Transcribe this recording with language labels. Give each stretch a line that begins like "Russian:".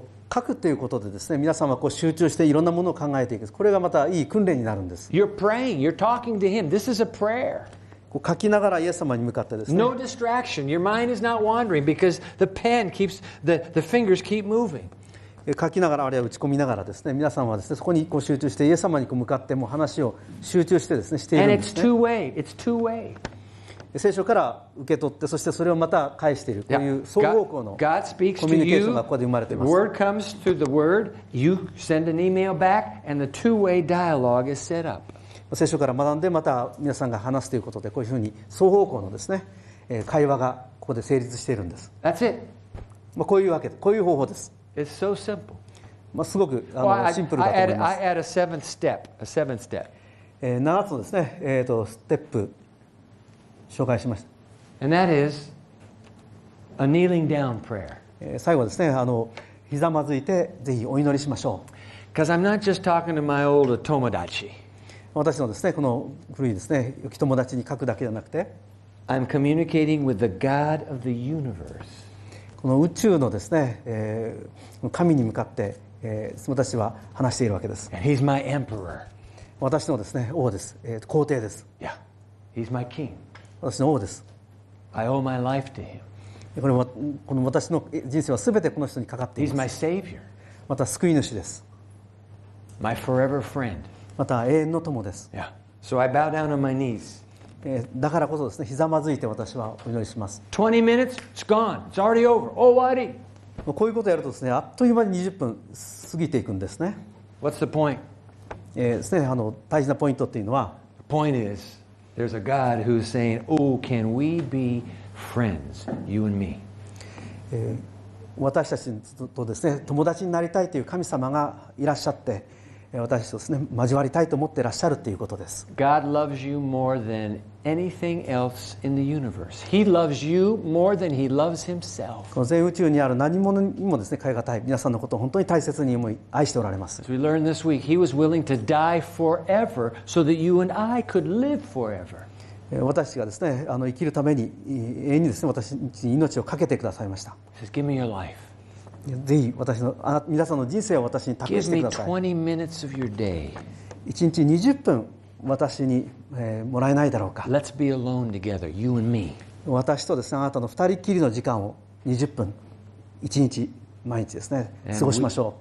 Japanese: 書くということでですね、皆さんはこう集中していろんなものを考えていく。これがまたいい訓練になるんです。
English: You're praying. You're talking to him. This is a prayer.
Japanese: こう書きながらイエス様に向かってですね。
English: No distraction. Your mind is not wandering because the pen keeps the fingers keep moving.
Japanese: 書きながらあるいは打ち込みながらですね、皆さんはですね、そこにこう集中してイエス様にこう向かってもう話を集中してですね、しているんですね。
English: And it's two way. It's two way.
Japanese: 聖書から受け取って、そしてそれをまた返しているという双方向のコミュニケーションがここで生まれています。
English: The word comes through the word. You send an email back, and the two-way dialogue is set up.
Japanese: 聖書から学んでまた皆さんが話すということで、こういうふうに双方向のですね、会話がここで成立しているんです。
English: That's it.
Japanese: まあこういうわけで、こういう方法です。
English: It's so simple.
Japanese: まあすごくシンプルだと思います。
English: I add a seventh step. A seventh step.
Japanese: 7つのですね、ステップ紹介しました。
English: And that is a kneeling down prayer.
Japanese: 最後ですね、ひざまずいてぜひお祈りしましょう。
English: Because I'm not just talking to my old tomodachi.
Japanese: 私のですね、この古いですね、良き友達に書くだけじゃなくて、
English: I'm communicating with the God of the universe.
Japanese: この宇宙のですね、神に向かって、私は話しているわけです。
English: And he's my emperor.
Japanese: 私のですね、王です。皇帝です。
English: Yeah. He's my king.
Japanese: 私の王です。
English: I owe my life to him.
Japanese: この私の人生は全てこの人にかかっています。
English: He's my savior.
Japanese: また救い主です。
English: My forever friend.
Japanese: また永遠の友です。
English: Yeah. So I bow down on my knees.
Japanese: だからこそですね、ひざまずいて私はお祈りします。
English: 20 minutes, it's gone. It's already over.
Japanese: 終わり。こういうことをやるとですね、あっという間に20分過ぎていくんですね。
English: What's the point?
Japanese: ですね、大事なポイントっていうのは、
English: The point is, there's a God who's saying, oh, can we be friends, you and me?
Japanese: 私たちとですね、友達になりたいという神様がいらっしゃって、私とですね、交わりたいと思っていらっしゃるということです。
English: God loves you more than anything else in the universe. He loves you more than he loves himself.
Japanese: この全宇宙にある何者にもですね、代え難い皆さんのことを本当に大切に愛しておられます。
English: As we learned this week, he was willing to die forever so that you and I could live forever.
Japanese: 私がですね、生きるために永遠にですね、私に命を懸けてくださいました。
English: Says, give me your life.
Japanese: ぜひ私の皆さんの人生を私に託してください。
English: Give me 20 minutes of your day.
Japanese: 1日20分私に、もらえないだろうか。
English: Let's be alone together, you and me.
Japanese: 私とですね、あなたの2人きりの時間を20分、1日毎日ですね、過ごしましょう。